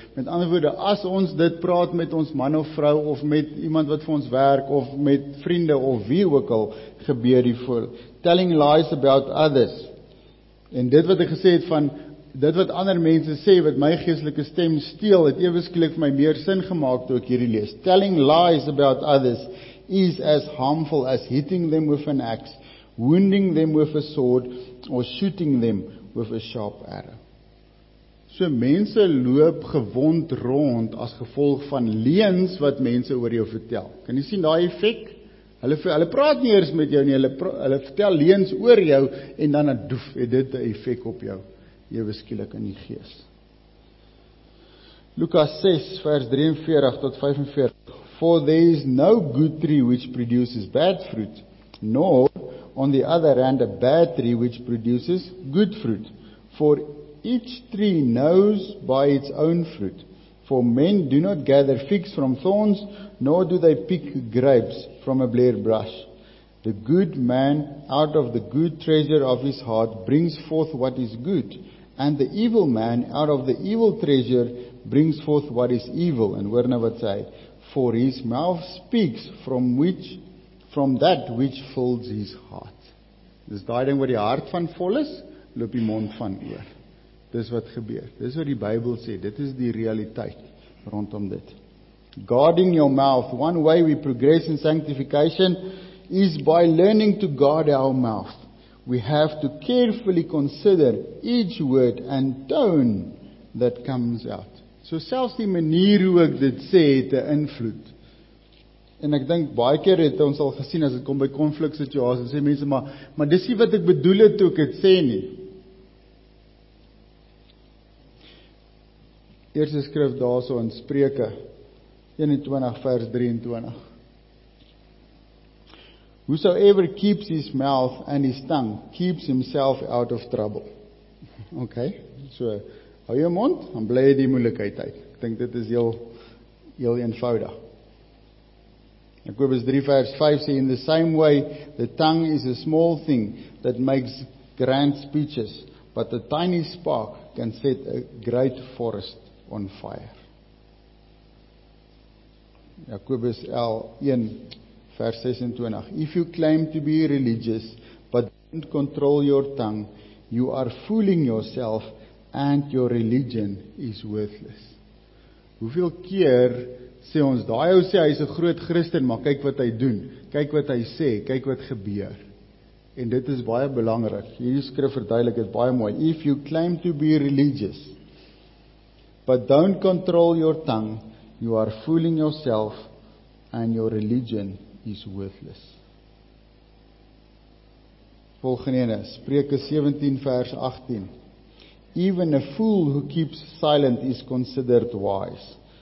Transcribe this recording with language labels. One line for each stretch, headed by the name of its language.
Afrikaans: Met ander woorde, as ons dit praat met ons man of vrou, of met iemand wat vir ons werk, of met vriende, of wie ook al, gebeur die voor.
English: Telling lies about others.
Afrikaans: En dit wat ek gesê het van, dit wat ander mense sê, wat my geestelike stem steel, het eweskielik vir my meer sin gemaakt toe ek hierdie lees.
English: Telling lies about others is as harmful as hitting them with an axe, wounding them with a sword, or shooting them with a sharp arrow.
Afrikaans: So mense loop gewond rond as gevolg van leuns wat mense oor jou vertel. Kan jy sien daai effek? Hulle praat nie eers met jou nie, hulle vertel leuns oor jou en dan het dit 'n effek op jou eweskielik in die gees. Lukas 6 vers 43 tot 45.
English: For there is no good tree which produces bad fruit, nor on the other hand, a bad tree which produces good fruit. For each tree knows by its own fruit. For men do not gather figs from thorns, nor do they pick grapes from a blade brush. The good man out of the good treasure of his heart brings forth what is good, and the evil man out of the evil treasure brings forth what is evil. And
Afrikaans: hoor nou wat sê,
English: for his mouth speaks from that which fills his heart.
Afrikaans: Dis daai ding wat die hart van vol is, loop die mond van oor. Dis wat gebeur. Dis wat die Bybel sê. Dit is die realiteit rondom dit.
English: Guarding your mouth. One way we progress in sanctification is by learning to guard our mouth. We have to carefully consider each word and tone that comes out.
Afrikaans: So selfs die manier hoe ek dit sê het 'n invloed. En ek dink baie keer het ons al gesien as dit kom by konflik situasies, sê mense maar dis nie wat ek bedoel het toe ek dit sê nie. Eerste skrif daarso in Spreuke 21 vers 23.
English: Whosoever keeps his mouth and his tongue keeps himself out of trouble.
Afrikaans: Okay, so hou jou mond, dan bly jy die moeilikheid uit. Ek dink dit is heel eenvoudig. Jakobus 3 vers 5 sê,
English: in the same way, the tongue is a small thing that makes grand speeches, but a tiny spark can set a great forest on fire.
Afrikaans: Jakobus 1 vers 26,
English: if you claim to be religious, but don't control your tongue, you are fooling yourself and your religion is worthless.
Afrikaans: Hoeveel keer sê ons, daai ou sê, hy is 'n groot Christen, maar kyk wat hy doen, kyk wat hy sê, kyk wat gebeur. En dit is baie belangrik. Hierdie skrif verduidelik dit baie mooi.
English: If you claim to be religious, but don't control your tongue, you are fooling yourself and your religion is worthless.
Afrikaans: Volgende ene, Spreuke 17 vers 18.
English: Even a fool who keeps silent is considered wise.